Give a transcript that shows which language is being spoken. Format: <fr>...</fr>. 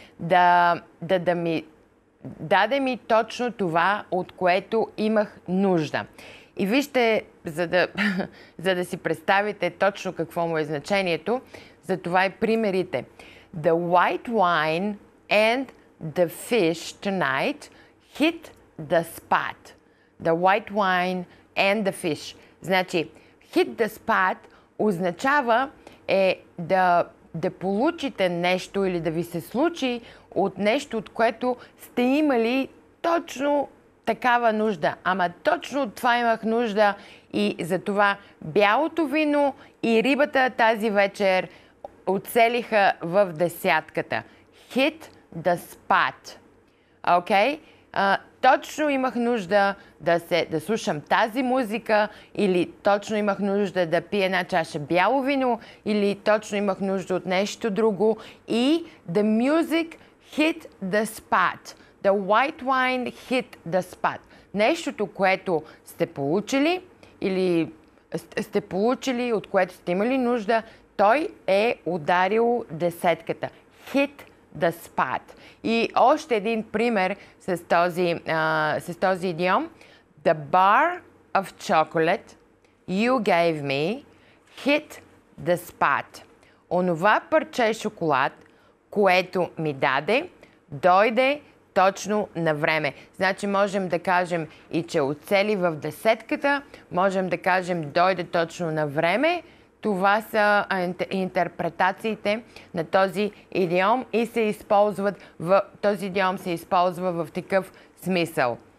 <bg>Даде ми точно това, от което имах нужда. И вижте, за да си представите точно какво му е значението, за това и примерите.</bg> <en>The white wine and the fish tonight hit the spot. The white wine and the fish.</en> <bg>Значи,</bg> <en>hit the spot</en> <bg>означава е да получите нещо или да ви се случи от нещо, от което сте имали точно такава нужда. Ама точно от това имах нужда и затова бялото вино и рибата тази вечер оцелиха в десятката.</bg> <en>Hit the spot. Окей?</en> <bg>Точно имах нужда да слушам тази музика или точно имах нужда да пия една чаша бяло вино или точно имах нужда от нещо друго и</bg> <en>the music hit the spot. The white wine hit the spot.</en> <bg>Нещото, което сте получили или сте получили, от което сте имали нужда, той е ударил десетката.</bg> <en>Hit the spot.</en> <bg>И още един пример с този идиом.</bg> <en>The bar of chocolate you gave me hit the spot.</en> <bg>Онова парче шоколад, което ми даде, дойде точно на време. Значи можем да кажем и че оцели в десетката, можем да кажем дойде точно на време. Това са интерпретациите на този идиом и се използват този идиом се използва в такъв смисъл.</bg>